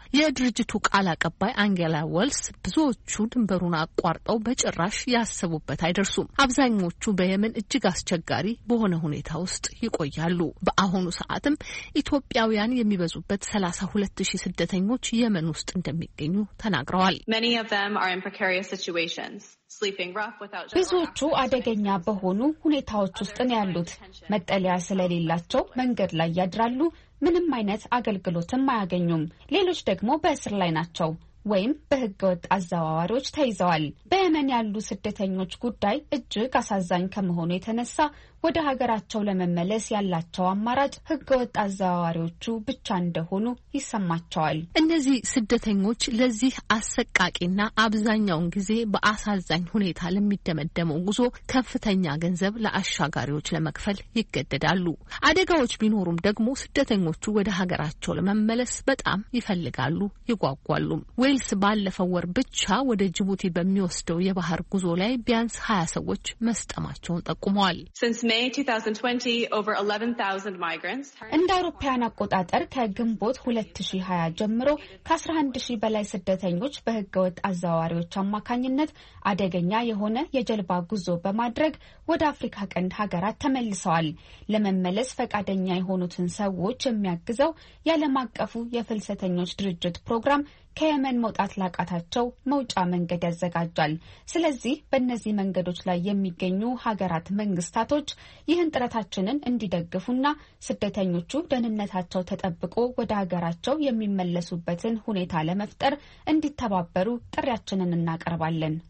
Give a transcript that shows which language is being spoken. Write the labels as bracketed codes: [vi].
[am] የድርጅቱ ቃል አቀባይ አንጌላ ወልስ ብዙዎቹ ድንበሩን አቋርጠው በጭራሽ ያሰቡበት አይደርሱም። አብዛኞቹ በየመን እጅግ አስቸጋሪ በሆነ ሁኔታ ውስጥ ይቆያሉ። በአሁኑ ሰዓትም ኢትዮጵያውያን የሚበዙበት 32,000 ስደተኞች የመን ውስጥ እንደሚገኙ ተናግረዋል። [en] Many of them are in precarious situations. [am] ብዙዎቹ አደገኛ በሆኑ ሁኔታዎች ውስጥ ነው ያሉት። መጠለያ ስለሌላቸው መንገድ ላይ ያድራሉ፣ ምንም አይነት አገልግሎትም አያገኙም። ሌሎች ደግሞ በእስር ላይ ናቸው። ወይም በህገወጥ አዘዋዋሪዎች ተይዘዋል። በየመን ያሉ ስደተኞች ጉዳይ እጅግ አሳዛኝ ከመሆኑ የተነሳ ወደ ሀገራቸው ለመመለስ ያላቸው አማራጭ ህገወጥ አዘዋዋሪዎቹ ብቻ እንደሆኑ ይስማቸዋል። እነዚህ ስደተኞች ለዚህ አሰቃቂና አብዛኛውን ጊዜ በአሳዛኝ ሁኔታ ለሚደመደመው ጉዞ ከፍተኛ ገንዘብ ለአሻጋሪዎች ለመክፈል ይገደዳሉ። አደጋዎች ቢኖሩም ደግሞ ስደተኞቹ ወደ ሀገራቸው ለመመለስ በጣም ይፈልጋሉ፣ ይጓጓሉ። ዌልስ ባለፈው ወር ብቻ ወደ ጅቡቲ በሚወስደው የባህር ጉዞ ላይ ቢያንስ 20 ሰዎች መስጠማቸውን ጠቁመዋል። [en] Since May 2020, over 11,000 migrants. [am] እንደ አውሮፓውያን አቆጣጠር ከግንቦት 2020 ጀምሮ ከ11,000 በላይ ስደተኞች በህገወጥ አዘዋዋሪዎች አማካኝነት አደገኛ የሆነ የጀልባ ጉዞ በማድረግ ወደ አፍሪካ ቀንድ ሀገራት ተመልሰዋል። ለመመለስ ፈቃደኛ የሆኑትን ሰዎች የሚያግዘው የዓለም አቀፉ የፍልሰተኞች ድርጅት ፕሮግራም ከየመን መውጣት ላቃታቸው መውጫ መንገድ ያዘጋጃል። ስለዚህ በእነዚህ መንገዶች ላይ የሚገኙ ሀገራት መንግስታቶች ይህን ጥረታችንን እንዲደግፉና ስደተኞቹ ደህንነታቸው ተጠብቆ ወደ ሀገራቸው የሚመለሱበትን ሁኔታ ለመፍጠር እንዲተባበሩ ጥሪያችንን እናቀርባለን።